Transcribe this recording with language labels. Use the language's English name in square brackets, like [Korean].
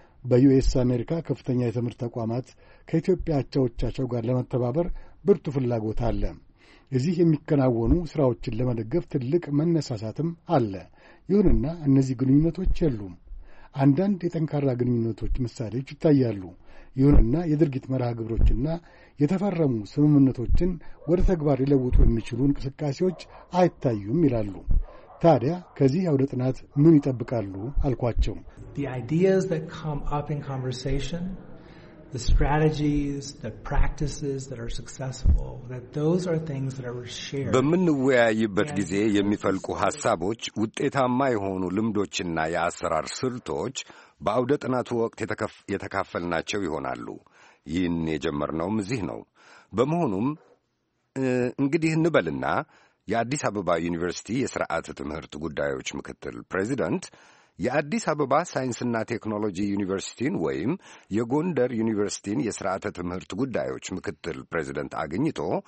[Amharic] በዩኤስ አሜሪካ ከፍተኛ የትምህርት ተቋማት ከኢትዮጵያ አቻዎቻቸው ጋር ለመተባበር ብርቱ ፍላጎት አለ። እዚህ የሚከናወኑ ስራዎችን ለመደገፍ ትልቅ መነሳሳትም አለ። ይሁንና እነዚህ ግንኙነቶች የሉም። አንዳንድ የጠንካራ ግንኙነቶች ምሳሌዎች ይታያሉ። ይሁንና የድርጊት መርሃ ግብሮችና የተፈረሙ ስምምነቶችን ወደ ተግባር ሊለውጡ የሚችሉ እንቅስቃሴዎች አይታዩም ይላሉ። ታዲያ ከዚህ አውደ ጥናት ምን ይጠብቃሉ አልኳቸው። [English] The ideas that come up in conversation, the strategies, the practices that are successful, that those are things that are shared. [Amharic] በምንወያይበት ጊዜ የሚፈልቁ ሐሳቦች፣ ውጤታማ የሆኑ ልምዶችና የአሰራር ስልቶች በአውደ ጥናቱ ወቅት የተካፈልናቸው ይሆናሉ። ይህን የጀመርነው እዚህ ነው። በመሆኑም እንግዲህ እንበልና የአዲስ አበባ ዩኒቨርሲቲ የሥርዓተ ትምህርት ጉዳዮች ምክትል ፕሬዚደንት የአዲስ አበባ ሳይንስና ቴክኖሎጂ ዩኒቨርሲቲን ወይም የጎንደር ዩኒቨርሲቲን የሥርዓተ ትምህርት ጉዳዮች ምክትል ፕሬዚደንት አግኝቶ